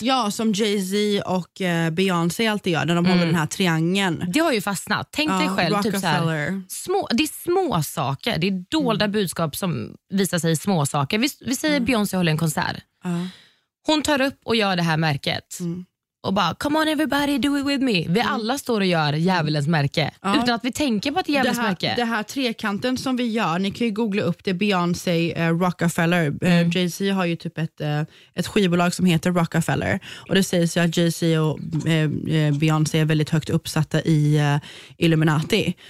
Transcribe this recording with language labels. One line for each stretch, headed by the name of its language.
Swedish: Ja, som Jay-Z och Beyoncé alltid gör när de håller den här triangeln. Det har ju fastnat. Tänk dig själv. Typ så här, små, det är små saker. Det är dolda budskap som visar sig i små saker. Vi säger Beyoncé håller en konsert. Hon tar upp och gör det här märket. Och bara,
English: come on everybody, do it with me.
Swedish: Vi alla står och gör djävulens märke. Utan att vi tänker på att djävulens det här, märke. Det här trekanten som vi gör, ni kan ju googla upp det, Beyoncé, Rockefeller. Jay-Z har ju typ ett skivbolag som heter Rockefeller. Och det sägs ju att Jay-Z och Beyoncé är väldigt högt uppsatta i Illuminati.